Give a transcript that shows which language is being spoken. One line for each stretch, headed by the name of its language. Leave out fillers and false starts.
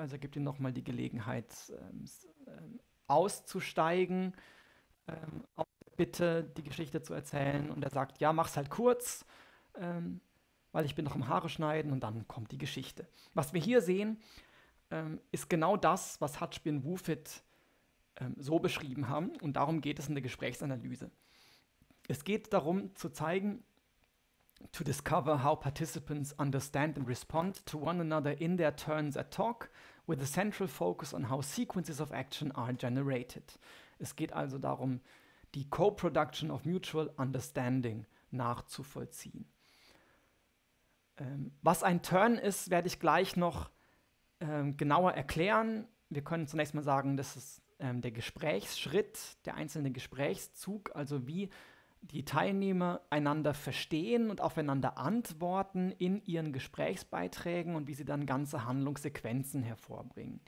German: Also er gibt ihm nochmal die Gelegenheit, auszusteigen, auf bitte die Geschichte zu erzählen. Und er sagt, ja, mach's halt kurz, weil ich bin noch im Haare schneiden und dann kommt die Geschichte. Was wir hier sehen, ist genau das, was Hatschbin Wufit so beschrieben haben. Und darum geht es in der Gesprächsanalyse. Es geht darum, zu zeigen,
English: to discover how participants understand and respond to one another in their turns at talk, with a central focus on how sequences of action are generated.
German: Es geht also darum, die
English: Co-Production of Mutual Understanding
German: nachzuvollziehen. Was ein Turn ist, werde ich gleich noch genauer erklären. Wir können zunächst mal sagen, das ist der Gesprächsschritt, der einzelne Gesprächszug, also wie die Teilnehmer einander verstehen und aufeinander antworten in ihren Gesprächsbeiträgen und wie sie dann ganze Handlungssequenzen hervorbringen.